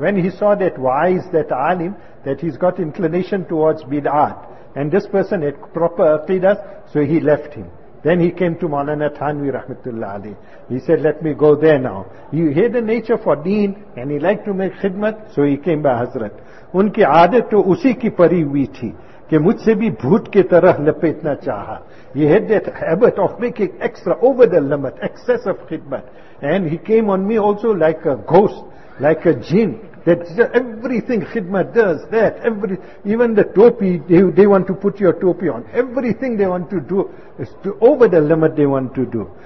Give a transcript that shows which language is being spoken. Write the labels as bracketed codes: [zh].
[en] When he saw that wais, that alim, that he's got inclination towards bid'at, and this person had proper aqidah, so he left him. Then he came to Maulana Thanvi Rahmatullah Ali. He said, let me go there now. He had a nature for deen, and he liked to make khidmat, so he came by Hazrat. [ur] Unki aadat to usi ki pari hui thi. کہ مجھ سے بھی بھوت کی طرح لپیٹنا چاہا. [en] He had that habit of making extra, over the limit, excessive khidmat. And he came on me also like a ghost, like a jinn. That everything khidmat does, that, every, even the topi, they want to put your topi on. Everything they want to do is to, over the limit they want to do.